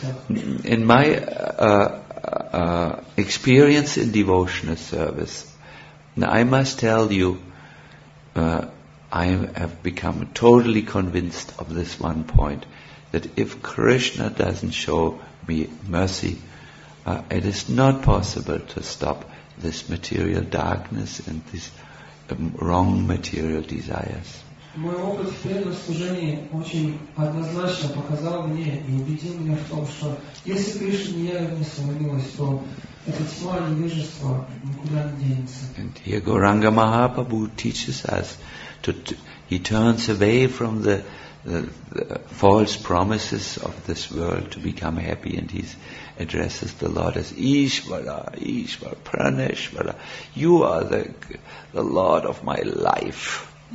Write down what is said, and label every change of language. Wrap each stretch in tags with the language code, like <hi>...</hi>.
<en>In my experience in devotional service, now I must tell you, I have become totally convinced of this one point, that if Krishna doesn't show me mercy, it is not possible to stop this material darkness and these wrong material desires.</en> <ru>Мой опыт в преданном служении очень однозначно показал мне и убедил меня в том, что если Кришна не явит мне свою милость, то это тьма и невежество никуда не денется.</ru> <en>And here Gauranga Mahaprabhu teaches us he turns away from the false promises of this world to become happy, and he addresses the Lord as Ishvara, Ishvara, Praneshvara. You are the Lord of my life.</en>